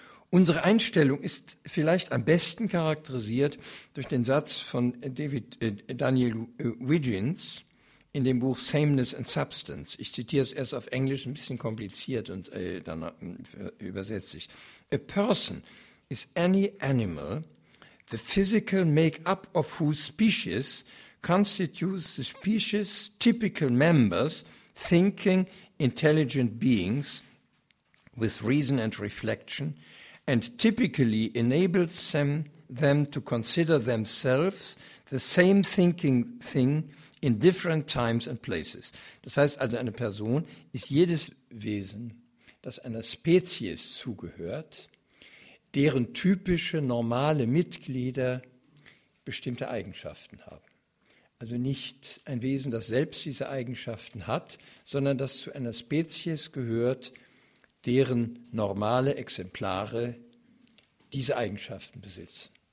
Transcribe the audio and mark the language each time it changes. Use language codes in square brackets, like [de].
[de] Unsere Einstellung ist vielleicht am besten charakterisiert durch den Satz von Daniel Wiggins in dem Buch Sameness and Substance. Ich zitiere es erst auf Englisch, ein bisschen kompliziert, und dann übersetze ich. [en] A person is any animal, the physical make-up of whose species constitutes the species typical members, thinking, intelligent beings with reason and reflection, and typically enables them to consider themselves the same thinking thing in different times and places. [de] Das heißt also, eine Person ist jedes Wesen, das einer Spezies zugehört, deren typische normale Mitglieder bestimmte Eigenschaften haben. Also nicht ein Wesen, das selbst diese Eigenschaften hat, sondern das zu einer Spezies gehört, deren normale Exemplare diese Eigenschaften besitzen.